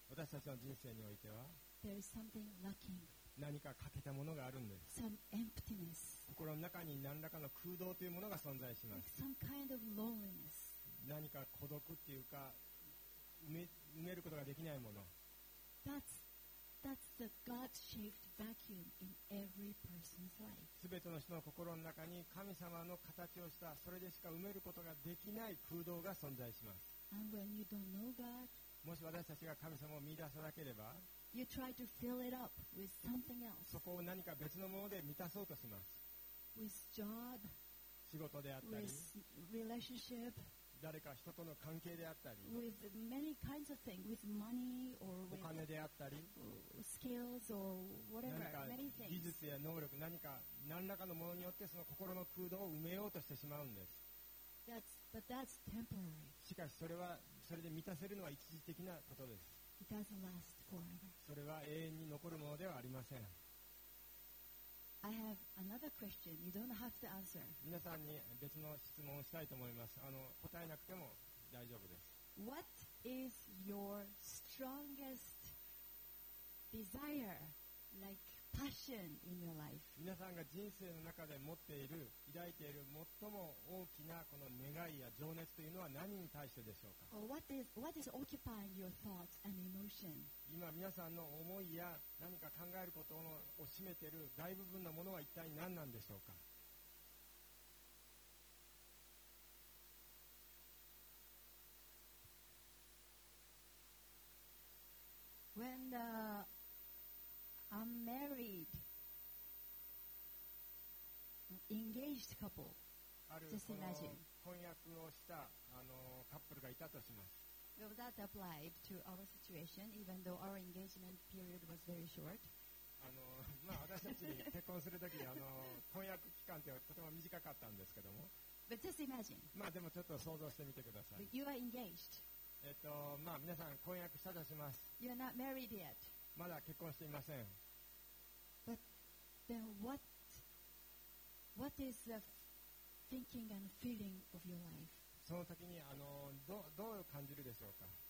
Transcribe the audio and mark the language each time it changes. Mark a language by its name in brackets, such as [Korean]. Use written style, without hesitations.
[Japanese] 私たちの人生においては [English] There is something lacking. [Japanese] 何か欠けたものがあるんです。 [English] Some emptiness. [Japanese] 心の中に何らかの空洞というものが存在します。 [English] Like some kind of loneliness. [Japanese] 何か孤独というか埋めることができないもの。 [English] that's the God-shaped vacuum in every person's life. [Japanese] すべての人の心の中に神様の形をしたそれでしか埋めることができない空洞が存在します。 [English] And when you don't know God, [Japanese] もし私たちが神様を見出さなければ [English] you try to fill it up with something else. [Japanese] そこを何か別のもので満たそうとします。 [English] with job, [Japanese] 仕事であったり [English] with relationship, [Japanese] 誰か人との関係であったり [English] with many kinds of things, with money or with [Japanese] お金であったり [English] skills or whatever, [Japanese] 何か技術や能力何か何らかのものによってその心の空洞を埋めようとしてしまうんです。 [English] that's, but that's temporary. [Japanese] しかしそれで満たせるのは一時的なことです。 [English] It doesn't last forever. [Japanese] それは永遠に残るものではありません。 [English] I have another question. You don't have to answer. [Japanese] 皆さんに別の質問をしたいと思います。答えなくても大丈夫です。 [English] What is your strongest desire, like passion in your life? [Japanese] 皆さんが人生の中で持っている、抱いている最も大きなこの願いや情熱というのは何に対してでしょうか？ [English] What is occupying your thoughts and emotion? [Japanese] 今皆さんの思いや何か考えることを占めている大部分のものは一体何なんでしょうか？ [English] When the I'm married, engaged couple. [Japanese] ある婚約をしたカップルがいたとします。 [English] Well, that applied to our situation, even though our engagement period was very short. [Japanese] 私たち結婚するとき婚約期間ってとても短かったんですけども。 [English] But just imagine. [Japanese] でもちょっと想像してみてください。 [English] But、you are engaged. [Japanese] 皆さん婚約したとします。 [English] You are not married yet. [Japanese] まだ結婚していません。 [English] Then what is the thinking and feeling of your life? [Japanese] その時にどう感じるでしょうか。